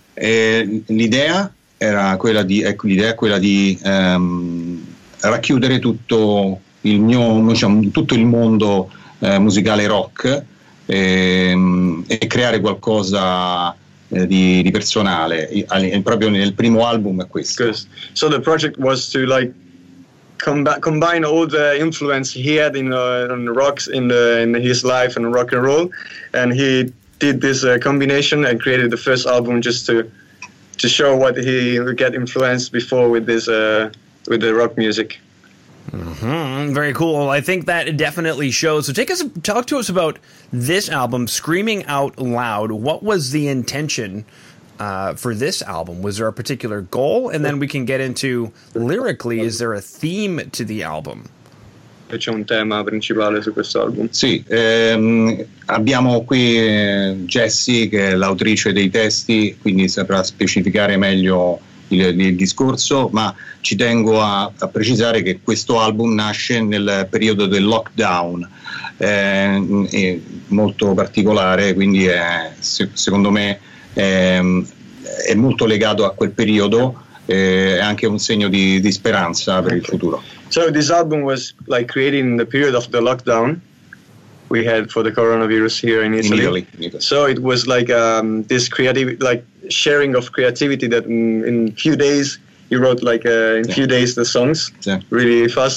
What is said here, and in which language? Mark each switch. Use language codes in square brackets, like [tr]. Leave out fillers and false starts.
[it] E l'idea era quella di, ecco, l'idea è quella di racchiudere tutto il mio, diciamo, tutto il mondo musicale rock e creare qualcosa di personale proprio nel primo album è questo. [en] So the project was to like combine all the influence he had in rocks in his life and rock and roll, and he did this combination and created the first album just to show what he get influenced before with this with the rock music. Mm-hmm. Very cool. I think that definitely shows. So talk to us about this album, Screaming Out Loud. What was the intention for this album? Was there a particular goal? And then we can get into lyrically, is there a theme to the album? [it] C'è un tema principale su questo album. Sì, abbiamo qui Jessie che è l'autrice dei testi, quindi saprà specificare meglio il discorso, ma ci tengo a precisare che questo album nasce nel periodo del lockdown, è molto particolare, quindi secondo me è molto legato a quel periodo. È anche un segno di speranza per il futuro. [en] So this album was like created in the period of the lockdown we had for the coronavirus here in Italy. In Italy. So it was like this creative, like sharing of creativity that in few days he wrote like in few days the songs really fast.